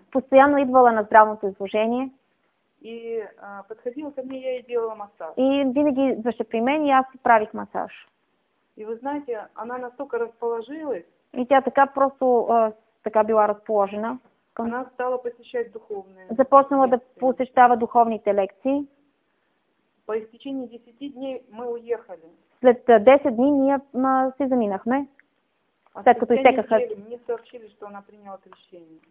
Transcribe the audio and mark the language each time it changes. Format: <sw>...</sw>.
<bg>Постоянно идвала на здравното изложение.</bg> <ru>И подходила ко мне, я ей делала массаж.</ru> <bg>И винаги беше при мен и аз правих массаж.</bg> <ru>И вы знаете, она настолько расположилась.</ru> <bg>И тя така просто... Така била разположена.</bg> <ru>Она стала посещать духовные.</ru> <bg>Започнала да посещава духовните лекции.</bg> <ru>По изтечении 10 дней мы уехали.</ru> <bg>След 10 дни ние се заминахме. След като изтекаха.</bg> <ru>Не съобщили, что она приняла крещение.</ru>